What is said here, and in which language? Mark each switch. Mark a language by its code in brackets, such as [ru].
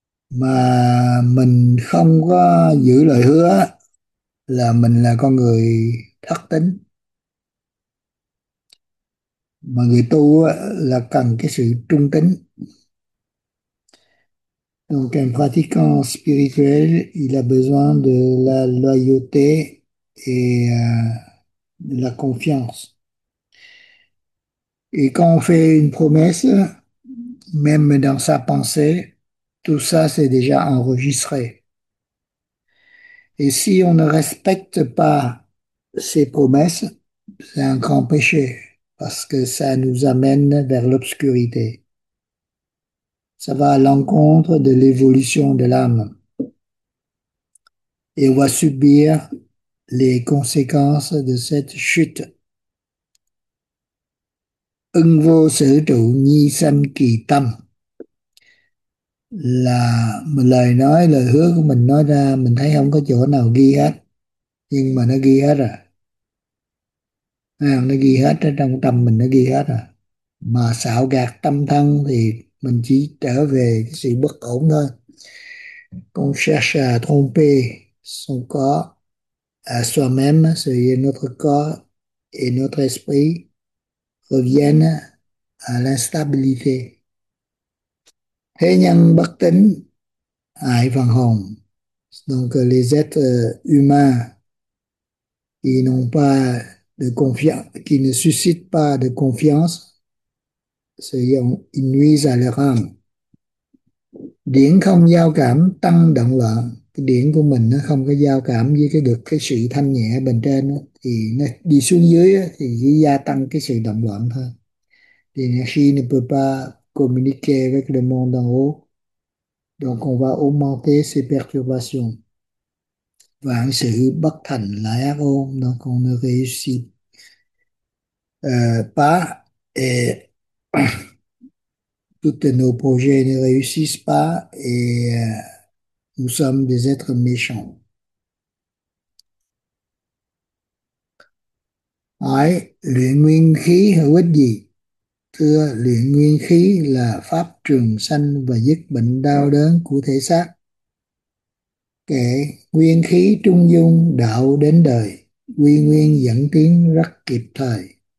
[vi] Mà mình không có giữ lời hứa là mình là con người thức tính. Mà người tu là cần cái sự trung tính. [fr] Donc un pratiquant spirituel, il a besoin de la loyauté et de la confiance. Et quand on fait une promesse, même dans sa pensée, tout ça c'est déjà enregistré. Et si on ne respecte pas ses promesses, c'est un grand péché, parce que ça nous amène vers l'obscurité. Ça va à l'encontre de l'évolution de l'âme et on va subir les conséquences de cette chute. [vi] Ưng vô sở trụ, nhi sanh kỳ tâm. Là một lời nói, lời hứa của mình nói ra, mình thấy không có chỗ nào ghi hết. Nhưng mà nó ghi hết rồi. Nó ghi hết, trong tâm mình nó ghi hết rồi. Mà xạo gạt tâm thân thì mình chỉ trở về cái sự bất ổn thôi. [fr] Con cherche à tromper son corps, à soi-même, c'est notre corps et notre esprit reviennent à l'instabilité. [vi] Thế nhân bất tín, hại phần hồn. [fr] Donc les êtres humains, ils n'ont pas de confiance, qui ne suscitent pas de confiance, ils nuisent à leur âme. [vi] Điển không giao cảm tăng động loạn, cái điển của mình nó không có giao cảm với cái được cái sự thanh nhẹ bên trên đó, thì nó đi xuống dưới đó, thì chỉ gia tăng cái sự động loạn thôi. [fr] L'énergie ne peut pas communiquer avec le monde d'en haut, donc on va augmenter ces perturbations. [vi] Vạn sự bất thành là ác ôn, [fr] donc on ne réussit pas et tous nos projets ne réussissent pas et nous sommes des êtres méchants. [vi] Hỏi, luyện nguyên khí hữu ích gì? Thưa, luyện nguyên khí là pháp trường sanh và dứt bệnh đau đớn của thể xác. Kệ, nguyên khí trung dung đạo đến đời, quy nguyên dẫn tiến rất kịp thời.